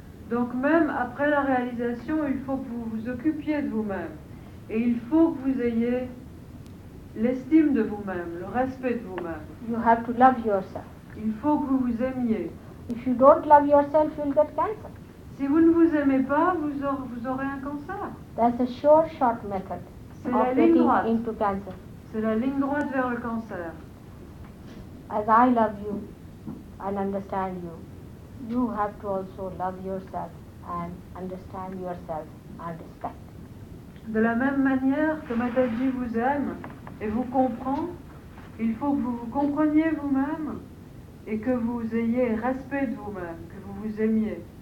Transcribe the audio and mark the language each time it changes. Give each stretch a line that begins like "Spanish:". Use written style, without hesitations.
French: Donc même après la réalisation, il faut que vous vous occupiez de vous-même. Et il faut que vous ayez l'estime de vous-même, le respect de vous-même.
English: You have to love yourself.
French: Il faut que vous vous aimiez.
English: If you don't love yourself, you'll get cancer.
French: Si vous ne vous aimez pas, vous aurez un cancer.
English: That's a sure shot method
French: C'est
English: of getting into cancer.
French: C'est la ligne droite vers le cancer.
English: As I love you and understand you, you have to also love yourself and understand yourself and respect.
French: De la même manière que Mataji vous aime et vous comprend, il faut que vous vous compreniez vous-même et que vous ayez respect de vous-même, que vous vous aimiez.